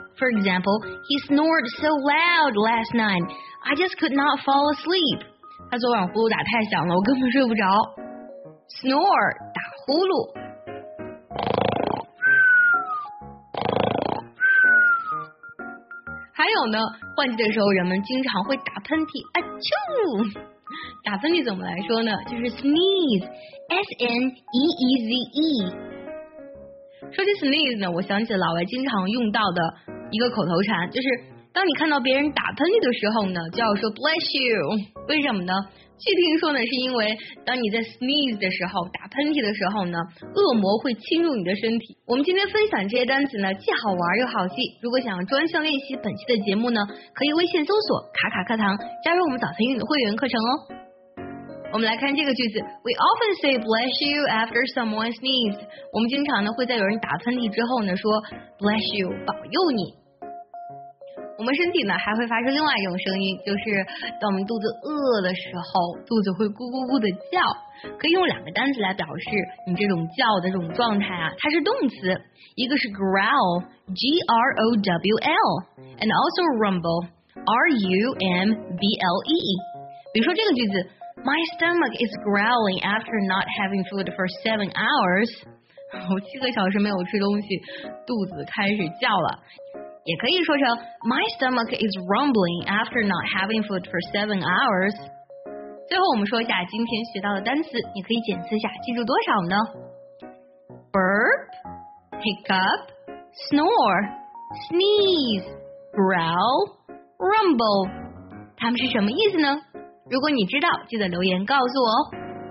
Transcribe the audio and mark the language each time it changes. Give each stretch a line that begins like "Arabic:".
English: For example, he snored so loud last night, I just could not fall asleep.
Chinese: 他昨晚呼噜打太响了，我根本睡不着。 Snore， 打呼噜。还有呢，换季的时候人们经常会打喷嚏，啊啾！打喷嚏怎么来说呢？就是 sneeze，S-N-E-E-Z-E。说起 sneeze 呢，我想起老外经常用到的一个口头禅，就是。当你看到别人打喷嚏的时候呢，就要说
English: bless you。
Chinese: 为什么呢？据听说呢，是因为当你在 sneeze 的时候，打喷嚏的时候呢，恶魔会侵入你的身体。我们今天分享这些单词呢，既好玩又好记。如果想专项练习本期的节目呢，可以微信搜索卡卡课堂，加入我们早餐英语的会员课程哦。我们来看这个句子，
English: We often say bless you after someone sneezed。
Chinese: 我们经常呢会在有人打喷嚏之后呢说
English: bless you，
Chinese: 保佑你。我们身体呢还会发出另外一种声音，就是当我们肚子饿的时候，肚子会咕咕咕的叫，可以用两个单词来表示你这种叫的这种状态啊。它是动词，一个是 growl， G-R-O-W-L，
English: and also rumble，
Chinese: R-U-M-B-L-E。比如说这个句子，
English: My stomach is growling after not having food for 7 hours。
Chinese: 我7个小时没有吃东西，肚子开始叫了。也可以说成
English: My stomach is rumbling after not having food for 7 hours。
Chinese: 最后我们说一下今天学到的单词，你可以检测一下记住多少呢？
English: Burp， Hiccup， Snore， Sneeze， Growl， Rumble，
Chinese: 它们是什么意思呢？如果你知道记得留言告诉我哦。